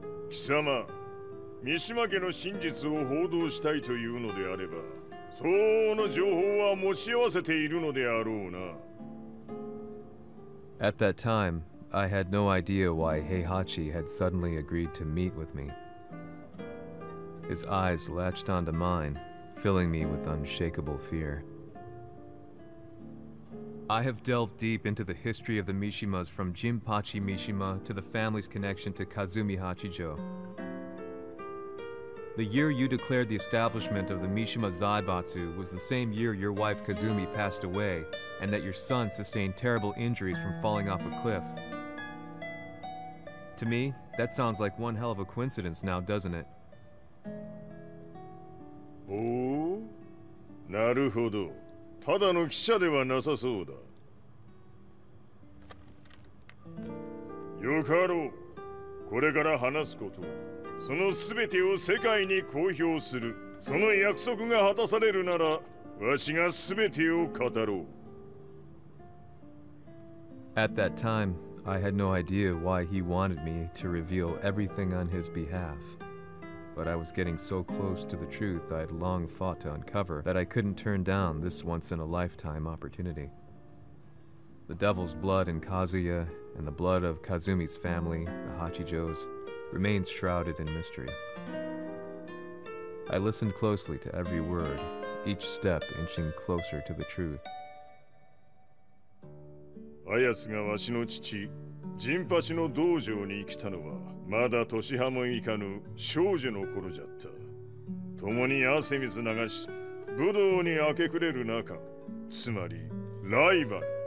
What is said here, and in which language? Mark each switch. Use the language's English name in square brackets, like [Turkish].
[Japanese] Kisama, Mishima 家の真実を報道したいというのであれば、相応の情報は持ち合わせているのであろうな。 [English] At that time, I had no idea why Heihachi had suddenly agreed to meet with me. His eyes latched onto mine, filling me with unshakable fear. I have delved deep into the history of the Mishimas from Jinpachi Mishima to the family's connection to Kazumi Hachijo. The year you declared the establishment of the Mishima Zaibatsu was the same year your wife Kazumi passed away and that your son sustained terrible injuries from falling off a cliff. To me, that sounds like one hell of a coincidence now, doesn't it? [Japanese] Oh? なるほど。ただの記者ではなさそうだ。よかろう。これから話すこと、そのすべてを世界に公表する。その約束が果たされるなら、わしがすべてを語ろう。 [English] At that time, I had no idea why he wanted me to reveal everything on his behalf. But I was getting so close to the truth I had long fought to uncover that I couldn't turn down this once-in-a-lifetime opportunity. The devil's blood in Kazuya and the blood of Kazumi's family, the Hachijos, remains shrouded in mystery. I listened closely to every word, each step inching closer to the truth. [Japanese] Ayasu が私の父、Jinpachi の道場に来たのはまだ年端もいかぬ少女の頃じゃった。共に汗水流し武道に明け暮れる中、つまりライバル。